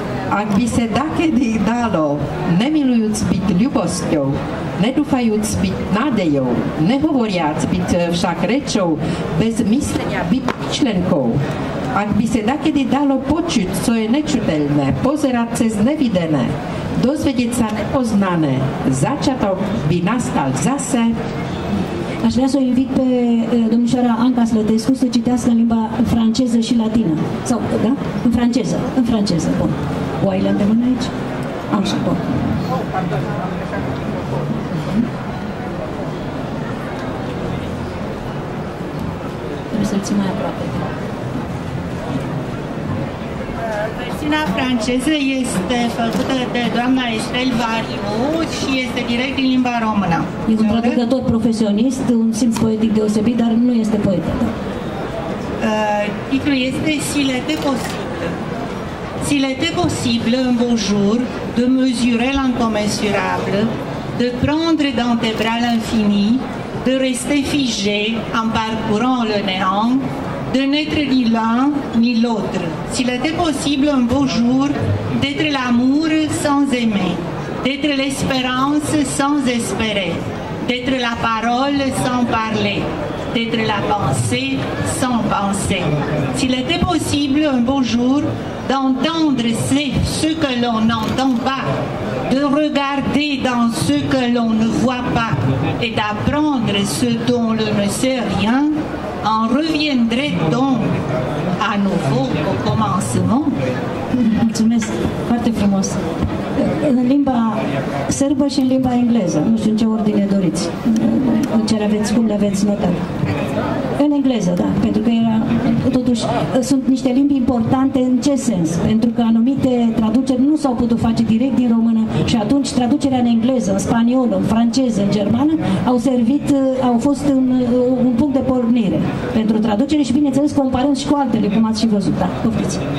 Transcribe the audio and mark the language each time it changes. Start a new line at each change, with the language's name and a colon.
Slovak: ak by se také dalo, nemilujúc byť ľubosťou, nedúfajúc byť nádejou, nehovoriac byť však rečou, bez myslenia byť myšlenkou, ak by se takedy dalo počuť, co je nečutelné, pozerať cez nevidené, dozvedieť sa nepoznané, začiatok by nastal zase.
Romanian: Aș vrea să o invit pe domnișoara Anca Slătescu să citească în limba franceză și latină. Sau, da? În franceză. În franceză, bun. O ai la îndemână aici? Așa, bun. Trebuie să-l ții mai aproape. Versiunea franceză este făcută de doamna Estelle Variu și este direct din limba română. E un traducător profesionist, un simț poetic deosebit, dar nu este poet. Titlul este
French: S'il était possible. S'il était possible, un beau jour, de mesurer l'incommensurable, de prendre dans tes bras l'infini, de rester figé en parcourant le néant, de n'être ni l'un ni l'autre. S'il était possible un beau jour d'être l'amour sans aimer, d'être l'espérance sans espérer, d'être la parole sans parler, d'être la pensée sans penser. S'il était possible un beau jour d'entendre ce que l'on n'entend pas, de regarder dans ce que l'on ne voit pas et d'apprendre ce dont l'on ne sait rien, en reviendrait donc à nouveau au commencement.
Romanian: Mulțumesc, foarte frumos. În limba sârbă și în limba engleză. Nu știu în ce ordine doriți. În ce aveți, cum le aveți notat. În engleză, da, pentru că era, totuși sunt niște limbi importante în ce sens? Pentru că anumite traduceri nu s-au putut face direct din română și atunci traducerea în engleză, în spaniolă, în franceză, în germană au servit, au fost un punct de pornire pentru traducere și bineînțeles comparând și cu altele, cum ați și văzut, da, poftiți.